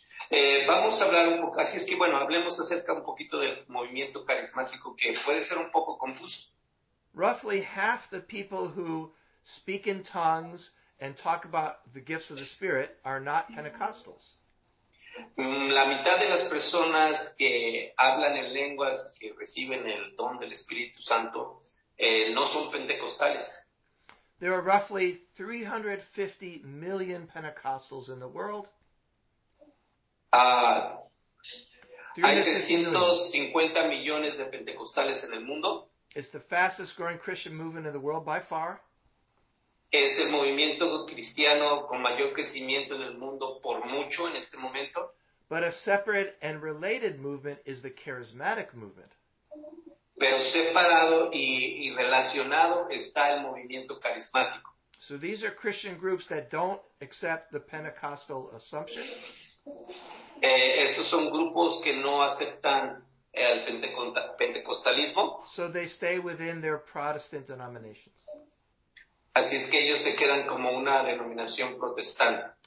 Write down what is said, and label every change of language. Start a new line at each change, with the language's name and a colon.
Spanish: Vamos a hablar un poco, así es que bueno, hablemos acerca un poquito del movimiento carismático que puede ser un poco confuso.
English: Roughly half the people who speak in tongues and talk about the gifts of the Spirit are not Pentecostals.
Spanish: La mitad de las personas que hablan en lenguas, que reciben el don del Espíritu Santo, no son pentecostales.
English: There are roughly 350 million Pentecostals in the world.
Spanish: Hay 350 millones de pentecostales en el mundo.
English: It's the fastest growing Christian movement in the world by far.
Spanish: Es el movimiento cristiano con mayor crecimiento en el mundo por mucho en este momento.
English: But a separate and related movement is the charismatic movement.
Spanish: Pero separado y relacionado está el movimiento carismático.
English: So these are Christian groups that don't accept the Pentecostal assumption.
Spanish: Estos son grupos que no aceptan el pentecostalismo.
English: So they stay within their Protestant denominations.
Spanish: Así es que ellos se quedan como una denominación protestante.